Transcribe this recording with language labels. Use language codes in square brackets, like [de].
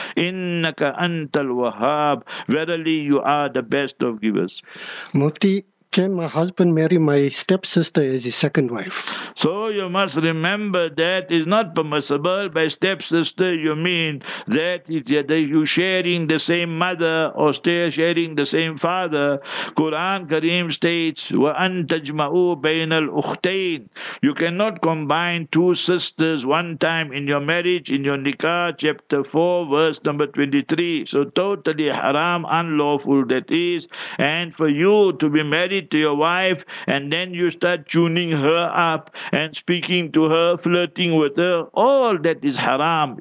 [ar] Innaka antal wahhab. [en] Verily you are the best of givers. Mufti, can my husband marry my stepsister as his second wife? So you must remember that is not permissible. By stepsister, you mean that you sharing the same mother or sharing the same father. Quran Kareem states, [ar] وَأَن تَجْمَعُوا بَيْنَ الْأُخْتَيْنِ. [en] You cannot combine two sisters one time in your marriage, in your nikah, chapter 4, verse number 23. So totally haram, unlawful that is. And for you to be married to your wife, and then you start tuning her up and speaking to her, flirting with her, all that is haram.